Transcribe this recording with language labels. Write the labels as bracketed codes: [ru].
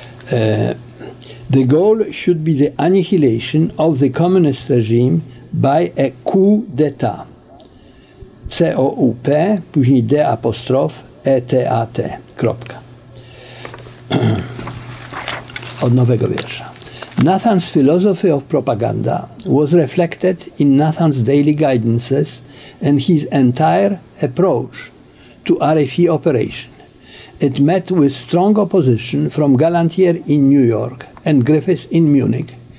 [en] The goal should be the annihilation of the communist regime by a coup d'état. [pl] COUP, później D apostrof, ETAT. Kropka. Od nowego wiersza. [en] Nathan's philosophy of propaganda was reflected in Nathan's daily guidances and his entire approach to RFE operation. It met with strong opposition from Galantier in New York and Griffiths in Munich.